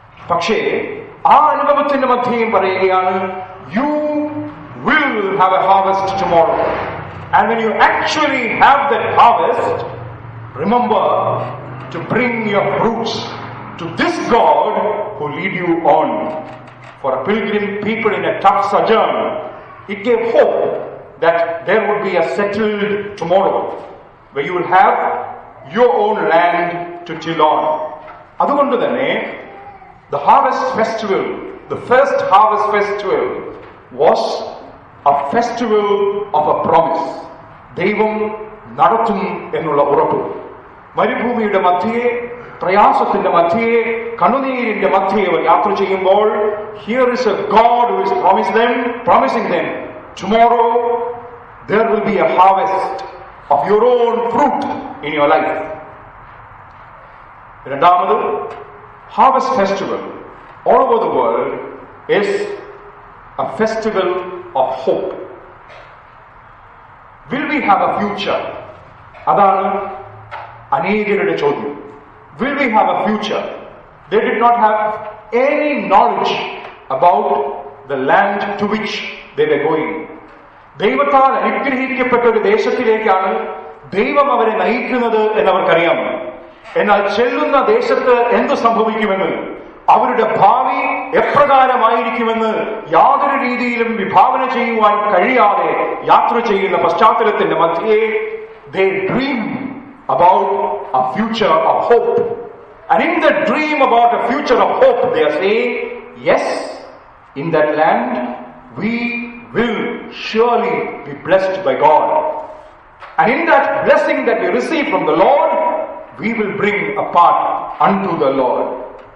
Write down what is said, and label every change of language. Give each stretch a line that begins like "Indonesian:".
Malayalam: പക്ഷേ ആ അനുഭവത്തിന്റെ മധ്യയും പറയുകയാണ്,
English: You will have a harvest tomorrow. And when you actually have that harvest, remember to bring your fruits to this God who lead you on. For a pilgrim people in a tough sojourn, it gave hope that there would be a settled tomorrow where you will have your own land to till on.
Malayalam: Adugundu thanne
English: the harvest festival, the first harvest festival, was a festival of a promise.
Malayalam: Devam nadathum ennulla urappu. Maribhoomiyude madhye, പ്രയാസത്തിന്റെ മധ്യയെ, കണ്ണുനീരിന്റെ മധ്യയെ അവർ യാത്ര ചെയ്യുമ്പോൾ,
English: Here is a God who is promising them tomorrow there will be a harvest of your own fruit in your life.
Malayalam: രണ്ടാമത്,
English: Harvest festival all over the world is a festival of hope. Will we have a future?
Malayalam: അതാണ് അനേകരുടെ ചോദ്യം.
English: Will we have a future? They did not have any knowledge about the land to which they were going.
Malayalam: ദൈവത്താൽ അനുഗ്രഹിക്കപ്പെട്ട ഒരു ദേശത്തിലേക്കാണ് ദൈവം അവരെ നയിക്കുന്നത് എന്നവർക്കറിയാം. എന്നാൽ ചെല്ലുന്ന ദേശത്ത് എന്ത് സംഭവിക്കുമെന്ന്, അവരുടെ ഭാവി എപ്രകാരമായിരിക്കുമെന്ന് യാതൊരു രീതിയിലും വിഭാവന ചെയ്യുവാൻ കഴിയാതെ യാത്ര ചെയ്യുന്ന പശ്ചാത്തലത്തിന്റെ മധ്യേ
English: They dream about a future of hope. And in the dream about a future of hope, they are saying, yes, in that land, we will surely be blessed by God. And in that blessing that we receive from the Lord, we will bring a part unto the Lord.